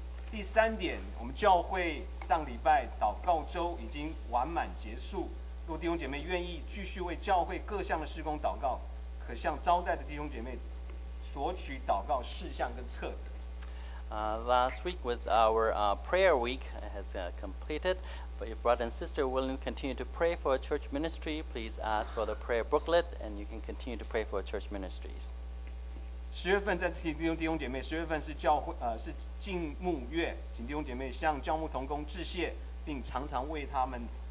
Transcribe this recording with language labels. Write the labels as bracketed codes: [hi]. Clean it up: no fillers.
[zh] 第三点，我们教会上礼拜祷告周已经完满结束。如果弟兄姐妹愿意继续为教会各项的事工祷告，可向招待的弟兄姐妹索取祷告事项跟册子。 [en] Last week was our prayer week. It has completed. But if brother and sister are willing to continue to pray for a church ministry, please ask for the prayer booklet, and you can continue to pray for church ministries. [zh] 十月份再次提醒弟兄姐妹，十月份是教会是敬牧月，请弟兄姐妹向教牧同工致谢，并常常为他们。